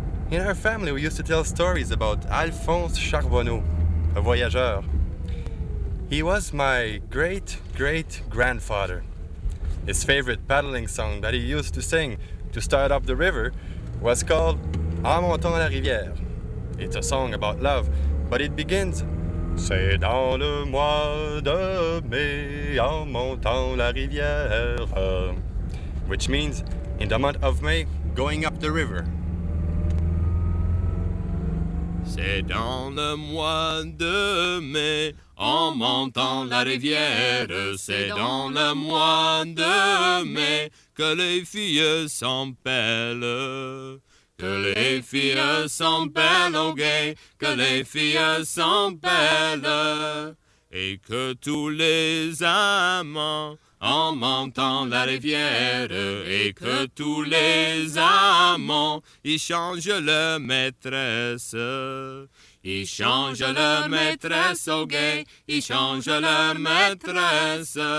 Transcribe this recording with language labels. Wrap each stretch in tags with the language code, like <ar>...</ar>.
<en>In our family, we used to tell stories about Alphonse Charbonneau, a voyageur. He was my great-great-grandfather. His favorite paddling song that he used to sing to start up the river was called En montant la rivière. It's a song about love, but it begins:</en> <fr>C'est dans le mois de mai, en montant la rivière.</fr> <en>Which means, in the month of May, going up the river.</en> <fr>C'est dans le mois de mai, en montant la rivière. C'est dans le mois de mai, que les filles s'en pêlent. Que les filles sont belles au gué, que les filles sont belles, et que tous les amants en montant la rivière, et que tous les amants y changent leur maîtresse, y changent leur maîtresse au gué, y changent leur maîtresse.</fr>